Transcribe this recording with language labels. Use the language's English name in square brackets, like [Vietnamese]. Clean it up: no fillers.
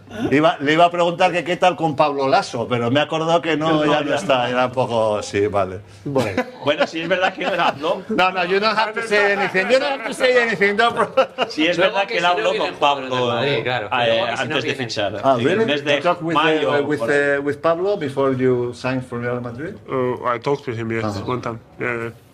[Spanish] Le iba a preguntar que qué tal con Pablo Lasso, pero me he acordado que no, ya no está, era un poco, sí, vale. Bueno, si es verdad que él habló. [English] No, you don't have to say anything, don't bro. [Spanish] Si es verdad que él habló con Pablo antes de fichar. [English] Ah, really? You talked with Pablo before you signed for Real Madrid? I talked with him, yes, one time. Yeah.